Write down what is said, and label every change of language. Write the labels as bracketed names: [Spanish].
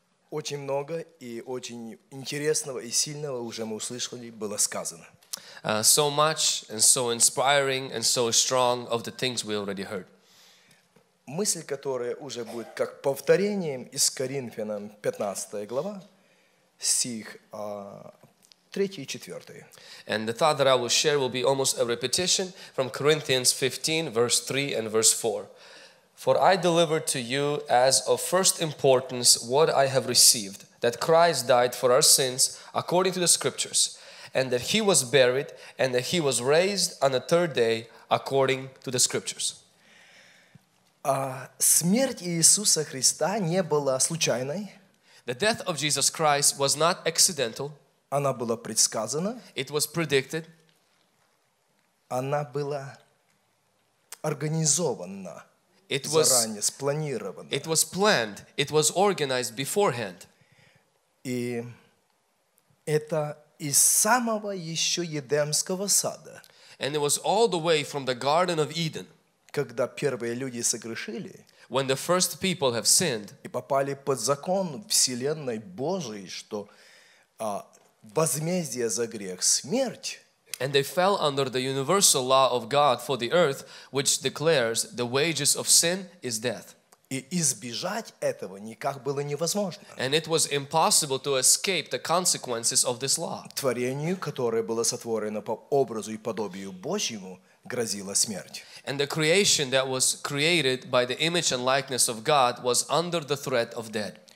[Russian] Очень много и очень интересного и сильного уже мы услышали, было сказано. [English] So much and so inspiring and so strong of the things we already heard. [Russian] Мысль, которая уже будет как повторением из Коринфянам 15 глава, стих 3 и 4. [English] And the thought that I will share will be almost a repetition from Corinthians 15, verse 3 and verse 4. For I delivered to you as of first importance what I have received, that Christ died for our sins according to the Scriptures, and that He was buried, and that He was raised on the third day according to the Scriptures. [Russian] Смерть Иисуса Христа не была случайной. [English] The death of Jesus Christ was not accidental. [Russian] Она была предсказана. [English] It was predicted. [Russian] Она была организована. [English] It was [Russian] заранее спланировано. [English] It was planned. It was organized beforehand. [Russian] И это из самого еще Едемского сада. [English] And it was all the way from the Garden of Eden. [Russian] Когда первые люди согрешили. [English] When the first people have sinned. [Russian] И попали под закон Вселенной Божией, что возмездие за грех смерть. [English] And they fell under the universal law of God for the earth, which declares the wages of sin is death. [Russian] И избежать этого никак было невозможно. [English] And it was impossible to escape the consequences of this law. [Russian] Творению, которое было сотворено по образу и подобию Божьему, грозила смерть. [English] And the creation that was created by the image and likeness of God was under the threat of death.